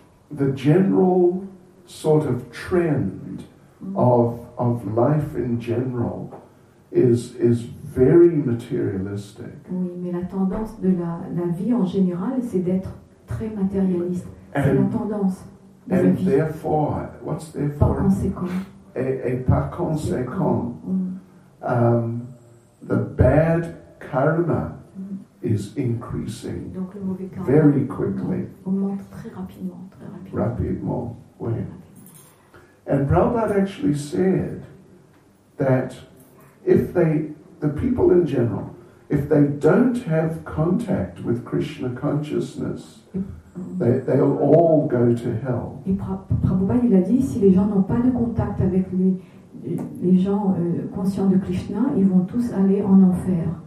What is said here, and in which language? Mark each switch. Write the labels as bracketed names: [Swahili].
[English] But the general sort of trend of life in general is very materialistic. [French] Oui, mais la tendance de la vie en général, c'est d'être très matérialiste. C'est la tendance. [English] And therefore, what's therefore? [French] Par conséquent. Et par conséquent, [English] the bad karma is increasing. [French] Donc le mauvais karma [English] very quickly. [French] Augmente très rapidement. Rapidement, oui. [English] And Prabhupada actually said that the people in general, if they don't have contact with Krishna consciousness, they'll all go to hell. [French] Et Prabhupada il a dit, si les gens n'ont pas de contact avec les gens conscients de Krishna, ils vont tous aller en enfer.